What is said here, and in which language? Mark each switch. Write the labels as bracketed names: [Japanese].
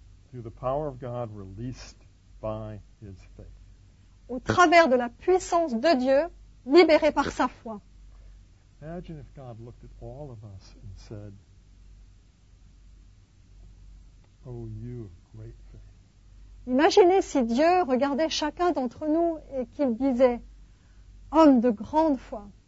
[English] Through the power of God released by his faith. [French] Au travers de la puissance de Dieu, libéré par sa foi. [English] Imagine if God looked at all of us and said, oh, you of great faith. [French] Imaginez si Dieu regardait chacun d'entre nous et qu'il disait, homme de grande foi.